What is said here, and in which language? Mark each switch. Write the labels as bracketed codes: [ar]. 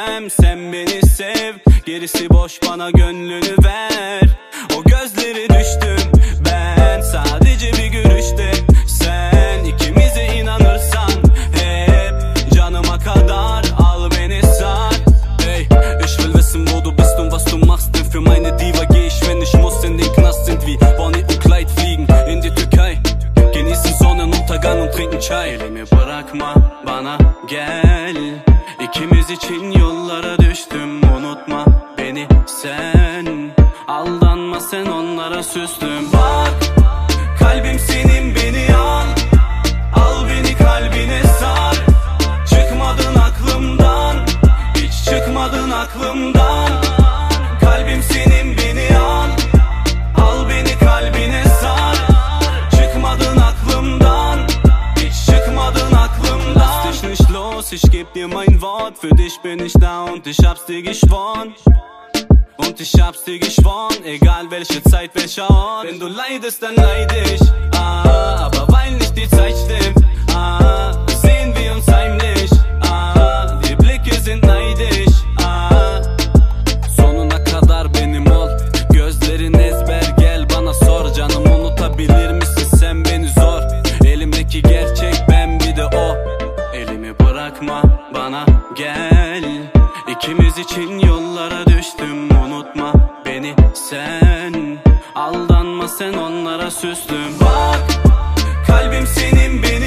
[tr] Sen beni sev, gerisi boş, bana gönlünü ver. O gözleri düştüm ben, sadece bir görüşte. Sen ikimize inanırsan hep canıma kadar. Al beni sar. [de] Hey, ich will wissen wo du bist und was du machst. Denn für meine Diva geh ich, wenn ich muss, in den Knast. Sind wie Bonnie und Clyde, fliegen in die Türkei. Genießen Sonnenuntergang und trinken Chai. [tr] Elimi bırakma bana gel. İkimiz için yollara düştüm, unutma beni sen. Aldanma sen onlara süslüm. Bak kalbim senin, beni al. Al beni kalbine sar. Çıkmadın aklımdan, hiç çıkmadın aklımdan. Kalbim senin, beni al. Al beni kalbine sar. Çıkmadın aklımdan, hiç çıkmadın aklımdan. [de] Lass dich nicht los, ich geb dir mein. Für dich bin ich da und ich hab's dir geschworen. Und ich hab's dir geschworen. Egal welche Zeit, welcher Ort. Wenn du leidest, dann leid ich. Ah, aber weil nicht die Zeit stimmt. Ah, sehen wir uns heimlich. Ah, die Blicke sind neidisch. [tr] Ah, sonuna kadar benim ol. Gözlerin ezber, gel bana sor. Canım unutabilir misin sen beni zor. Elimdeki gerçek ben, bir de o. Elimi bırakma bana gel. İkimiz için yollara düştüm, unutma beni sen. Aldanma sen onlara süslüm. Bak kalbim senin.